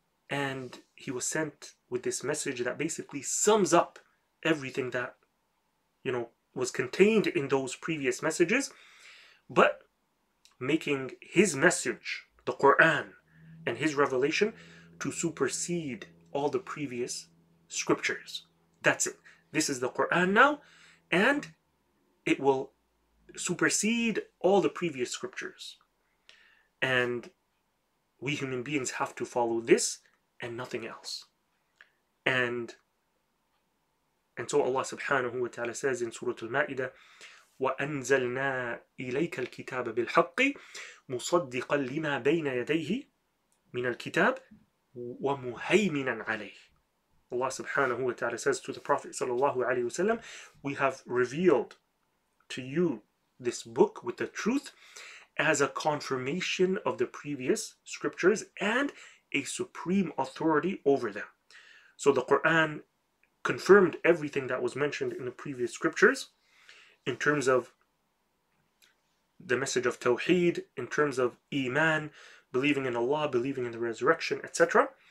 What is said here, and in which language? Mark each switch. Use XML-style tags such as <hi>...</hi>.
<en>And he was sent with this message that basically sums up everything that, you know, was contained in those previous messages, but making his message, the Quran, and his revelation to supersede all the previous scriptures. That's it. This is the Quran now, and it will supersede all the previous scriptures. And we human beings have to follow this and nothing else. And so Allah subhanahu wa ta'ala says in Surah Al-Ma'idah,</en> <ar>وَأَنزَلْنَا إِلَيْكَ الْكِتَابَ بِالْحَقِّ مُصَدِّقًا لِمَا بَيْنَ يَدَيْهِ مِنَ الْكِتَابِ وَمُهَيْمِنًا عَلَيْهِ.</ar> <en>Allah subhanahu wa ta'ala says to the Prophet sallallahu alayhi wa sallam, we have revealed to you this book with the truth as a confirmation of the previous scriptures and a supreme authority over them. So the Quran confirmed everything that was mentioned in the previous scriptures in terms of the message of Tawheed, in terms of Iman, believing in Allah, believing in the resurrection, etc.</en>